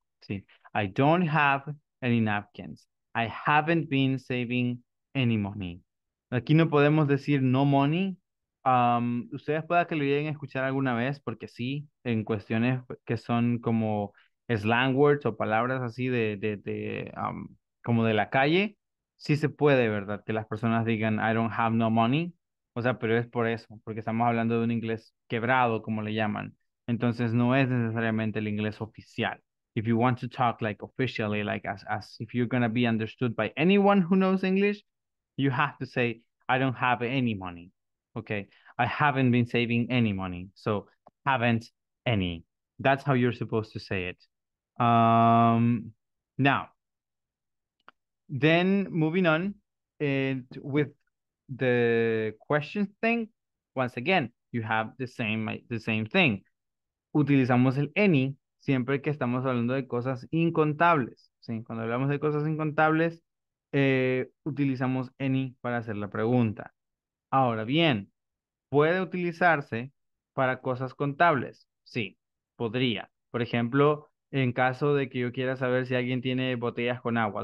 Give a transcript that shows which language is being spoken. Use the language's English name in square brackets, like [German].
[English] Sí, I don't have any napkins. I haven't been saving any money. [Spanish] Aquí no podemos decir [English] no money. [Spanish] Ustedes pueda que lo lleguen a escuchar alguna vez, porque sí, en cuestiones que son como slang words o palabras así de como de la calle, sí se puede, ¿verdad? Que las personas digan, [English] I don't have no money. [Spanish] O sea, pero es por eso, porque estamos hablando de un inglés quebrado, como le llaman. Entonces, no es necesariamente el inglés oficial. [English] If you want to talk like officially, like as if you're going to be understood by anyone who knows English, you have to say, I don't have any money. Okay, I haven't been saving any money. So, haven't any. That's how you're supposed to say it. Now, then moving on and with the question thing, once again, you have the same thing. [Spanish] Utilizamos el any siempre que estamos hablando de cosas incontables. ¿Sí? Cuando hablamos de cosas incontables, utilizamos any para hacer la pregunta. Ahora bien, puede utilizarse para cosas contables. Sí, podría. Por ejemplo, en caso de que yo quiera saber si alguien tiene botellas con agua.